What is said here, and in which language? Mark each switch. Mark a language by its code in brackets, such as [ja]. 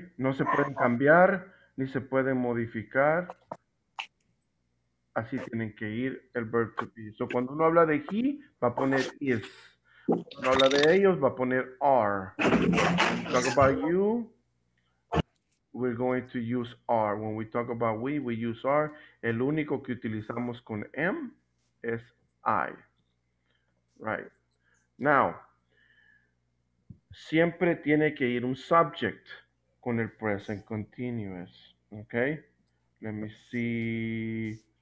[es] No se pueden cambiar ni se pueden modificar. Así tienen que ir el verb to be. So, cuando uno habla de he, va a poner is. Cuando habla de ellos, va a poner are. [en] Talk about you, we're going to use are. When we talk about we use are. [es] El único que utilizamos con am es I. [en] Right. Now, [es] siempre tiene que ir un subject con el present continuous. Okay? [en] Let me see.